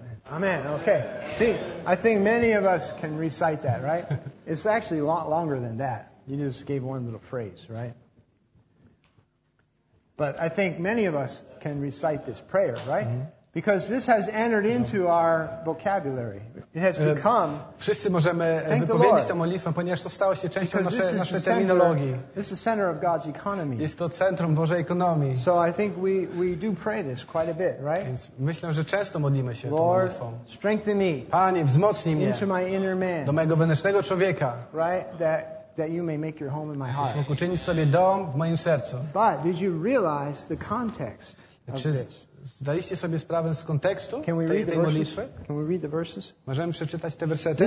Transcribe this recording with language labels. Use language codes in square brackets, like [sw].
[en] Amen. Okay. See, I think many of us can recite that, right? It's actually a lot longer than that. You just gave one little phrase, right? But I think many of us can recite this prayer, right? Mm-hmm. Because this has entered into our vocabulary. It has become. [pl] Wszyscy możemy wypowiedzieć tę modlitwę, ponieważ to stało się częścią naszej terminologii. [en] This is the center of God's economy. [pl] Jest to centrum Bożej ekonomii. [en] So I think we do pray this quite a bit, right? [pl] Więc myślę, że często modlimy się [en] Lord, [pl] tą modlitwą. [en] Strengthen me. [pl] Panie, wzmocnij mnie. [en] Into my inner man. [pl] Do mojego wewnętrznego człowieka. [en] Right? That you may make your home in my heart. [pl] Żebyś mógł uczynić sobie dom w moim sercu. [en] But did you realize the context of this? [pl] Zdaliście sobie sprawę z kontekstu tej modlitwy? [en] Can we read the verses? [pl] Możemy przeczytać te wersety?